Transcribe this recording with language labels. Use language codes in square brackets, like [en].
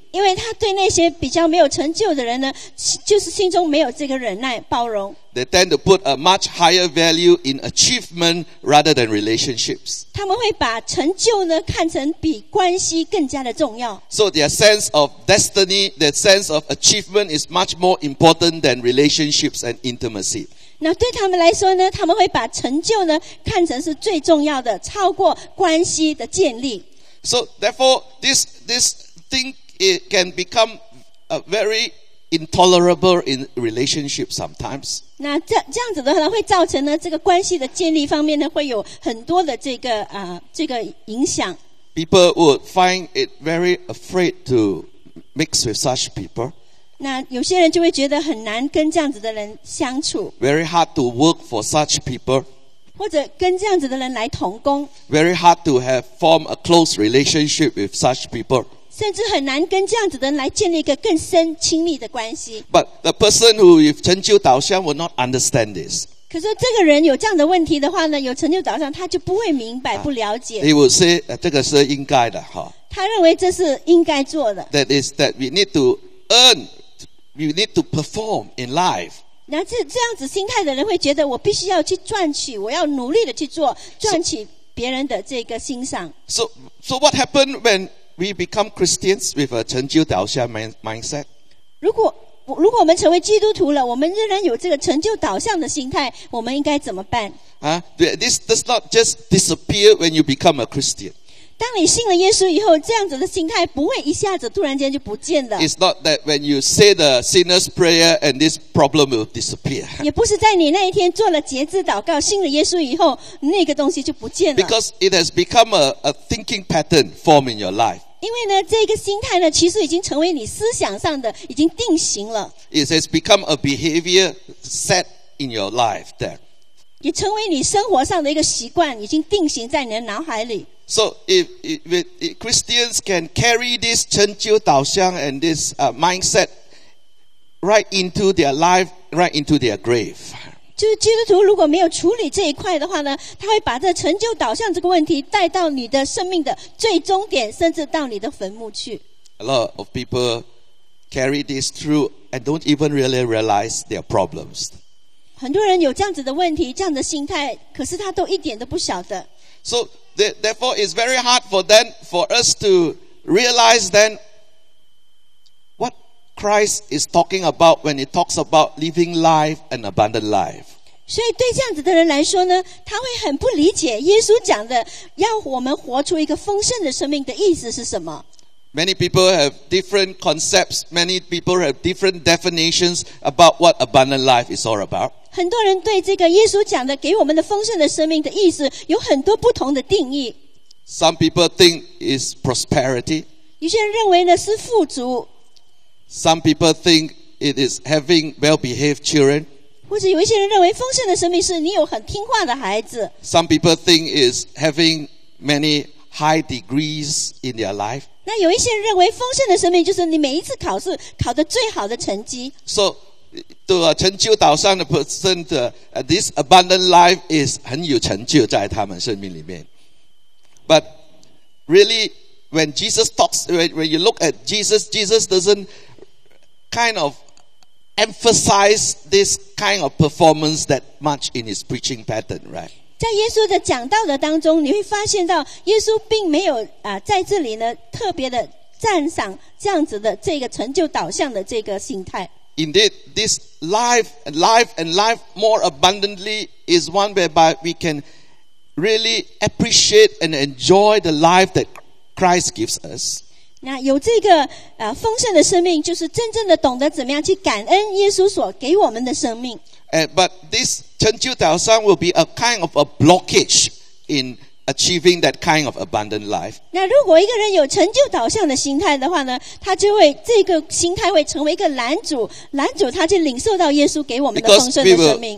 [zh] 因为他对那些比较没有成就的人呢，就是心中没有这个忍耐包容。 [en] They tend to put a much higher value in achievement rather than relationships. [zh] 他们会把成就呢看成比关系更加的重要。 [en] So their sense of destiny, their sense of achievement is much more important than relationships and intimacy. [zh] 那对他们来说呢，他们会把成就呢看成是最重要的，超过关系的建立。 [en] So therefore, this thingIt can become a very intolerable in relationship sometimes. [zh] 那这样子的话，会造成呢这个关系的建立方面呢，会有很多的这个影响。 [en] People would find it very afraid to mix with such people. [zh] 那有些人就会觉得很难跟这样子的人相处。 [en] Very hard to work for such people. [zh] 或者跟这样子的人来同工。 [en] Very hard to have form a close relationship with such people. [zh] 甚至很难跟这样子的人来建立一个更深亲密的关系。 [en] But the person who if 成就导向 will not understand this. [zh] 可是这个人有这样的问题的话呢，有成就导向，他就不会明白，不了解。 [en] He will say, [zh] 这个是应该的哈。他认为这是应该做的。 [en] That is that we need to earn, we need to perform in life. [zh] 那这样子心态的人会觉得我必须要去赚取，我要努力的去做，赚取别人的这个欣赏。 [en] So what happened when we become Christians with a 成就导向 mindset? [zh] 如果我们成为基督徒了，我们仍然有这个成就导向的心态，我们应该怎么办？ [en] This does not just disappear when you become a Christian. [zh] 当你信了耶稣以后，这样子的心态不会一下子突然间就不见了。 [en] It's not that when you say the sinner's prayer and this problem will disappear. [zh] 也不是在你那一天做了洁净祷告，信了耶稣以后，那个东西就不见了。 [en] Because it has become a thinking pattern form in your life. [zh] 因为呢，这个心态呢，其实已经成为你思想上的，已经定型了。 [en] It has become a behavior set in your life then. [zh] 也成为你生活上的一个习惯，已经定型在你的脑海里。 [en] So if Christians can carry this 成就导向 and this mindset right into their life, right into their grave. [zh] 就是基督徒如果没有处理这一块的话呢，他会把这成就导向这个问题带到你的生命的最终点，甚至到你的坟墓去。 [en] A lot of people carry this through and don't even really realize their problems. [zh] 很多人有这样子的问题，这样的心态，可是他都一点都不晓得。 [en] So,Therefore, it's very hard for us to realize then what Christ is talking about when he talks about living life and abundant life. [zh] 所以对这样子的人来说呢，他会很不理解耶稣讲的要我们活出一个丰盛的生命的意思是什么。 [en] Many people have different concepts. Many people have different definitions about what abundant life is all about. [zh] 很多人对这个耶稣讲的给我们的丰盛的生命的意思有很多不同的定义。 [en] Some people think it's prosperity. [zh] 有些人认为呢是富足。 [en] Some people think it is having well-behaved children. [zh] 或者有一些人认为丰盛的生命是你有很听话的孩子。 [en] Some people think it's having many high degrees in their life. [zh] 那有一些人认为丰盛的生命就是你每一次考试考得最好的成绩。 [en] So, to a 成就导向的 person, this abundant life is [zh] 很有成就在他们生命里面。 [en] But really, when Jesus talks, when you look at Jesus, Jesus doesn't kind of emphasize this kind of performance that much in his preaching pattern, right? [zh] 在耶稣的讲道的当中，你会发现到耶稣并没有在这里呢特别的赞赏这样子的这个成就导向的这个心态。 [en] Indeed, this life and life more abundantly is one whereby we can really appreciate and enjoy the life that Christ gives us. [zh] 那有这个丰盛的生命，就是真正的懂得怎么样去感恩耶稣所给我们的生命。 [en] But this 成就导向 will be a kind of a blockage in achieving that kind of abundant life. [zh] 那如果一个人有成就导向的心态的话呢，他就会这个心态会成为一个拦阻他去领受到耶稣给我们的丰盛的生命。